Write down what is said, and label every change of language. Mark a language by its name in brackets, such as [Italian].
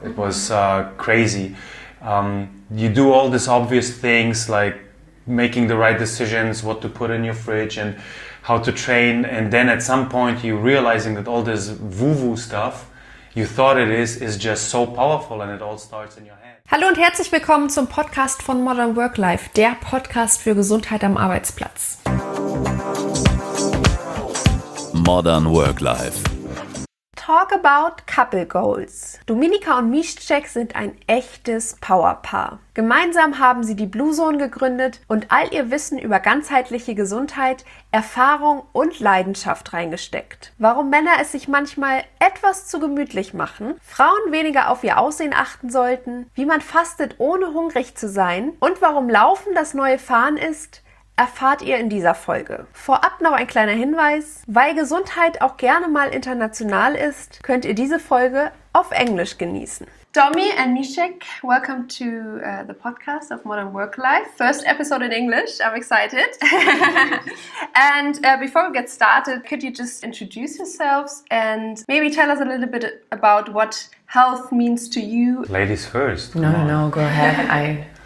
[English] It was crazy. You do all these obvious things like making the right decisions, what to put in your fridge, and how to train, and then at some point you're realizing that all this woo-woo stuff you thought it is just so powerful, and it all starts in your head. [German] Hallo und herzlich willkommen zum Podcast von Modern Work Life, der Podcast für Gesundheit am Arbeitsplatz. Modern Work Life. [English] Talk about Couple Goals. [German] Dominika und Miszczek sind ein echtes Powerpaar. Gemeinsam haben sie die Blue Zone gegründet und all ihr Wissen über ganzheitliche Gesundheit, Erfahrung und Leidenschaft reingesteckt. Warum Männer es sich manchmal etwas zu gemütlich machen, Frauen weniger auf ihr Aussehen achten sollten, wie man fastet, ohne hungrig zu sein und warum Laufen das neue Fahren ist, erfahrt ihr in dieser Folge. Vorab noch ein kleiner Hinweis: Weil Gesundheit auch gerne mal international ist, könnt ihr diese Folge auf Englisch genießen. [English] Domi and Miszczek, welcome to the podcast of Modern Work Life. First episode in English, I'm excited. And before we get started, could you just introduce yourselves and maybe tell us a little bit about what health means to you? Ladies first. No, no, no, go ahead.